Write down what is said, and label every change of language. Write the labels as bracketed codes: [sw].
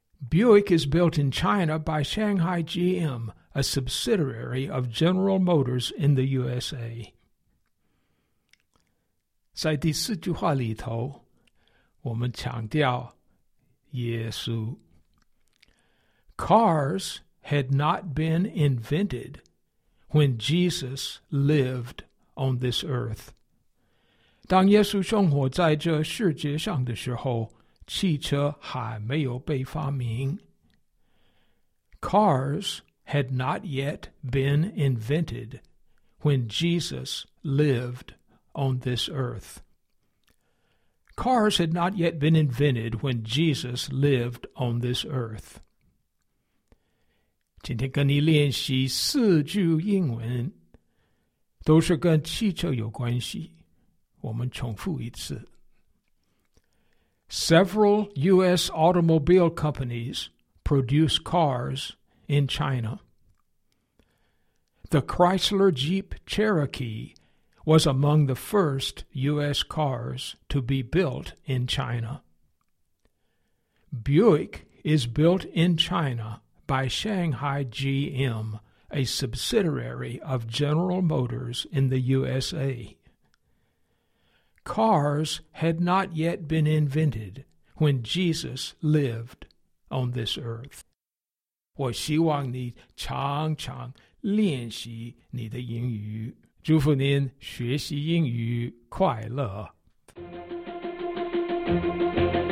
[en] Buick is built in China by Shanghai GM, a subsidiary of General Motors in the USA. [zh] 在第四句话里头，我们强调耶稣。 [en] Cars had not been invented when Jesus lived on this earth. [zh] 当耶稣生活在这世界上的时候，汽车还没有被发明。 [en] Cars had not yet been invented when Jesus lived on this earth. Cars had not yet been invented when Jesus lived on this earth. [zh] 今天跟你练习四句英文，都是跟汽车有关系。我们重复一次。 [en] Several U.S. automobile companies produce cars in China. The Chrysler Jeep Cherokee was among the first U.S. cars to be built in China. Buick is built in China by Shanghai GM, a subsidiary of General Motors in the USA. Cars had not yet been invented when Jesus lived on this earth. [zh] 我希望你常常练习你的英语，祝福您学习英语快乐。